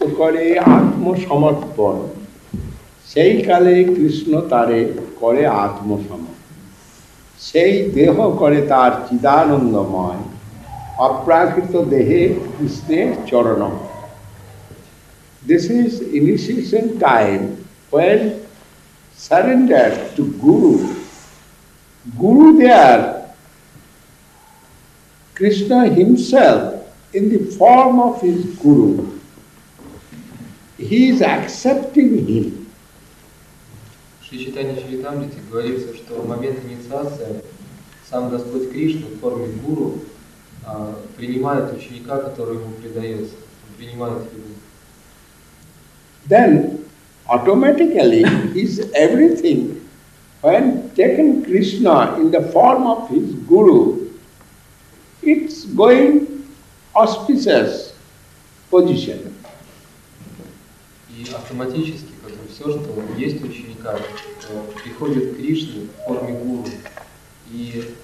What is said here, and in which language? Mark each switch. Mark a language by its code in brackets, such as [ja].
[bn] করে আত্মসমর্পণ সেই কালে কৃষ্ণ তারে করে আত্মসমর্পণ সেই দেহ করে তার চিদানন্দময় অপ্রাকৃত দেহে কৃষ্ণের চরণ [en] This is initiation time when surrender to guru there Krishna himself in the form of his guru. He is accepting him. [ru] Шри Чайтанья Чаритамрита говорится, что в момент инициации сам Господь Кришна в форме гуру принимает ученика, который ему предается. Он принимает его. [en] Then, automatically, his everything, when taken Krishna in the form of his guru, it's going auspicious position. [ru] И автоматически, как бы все, что есть ученика, приходит к Кришне в форме гуру и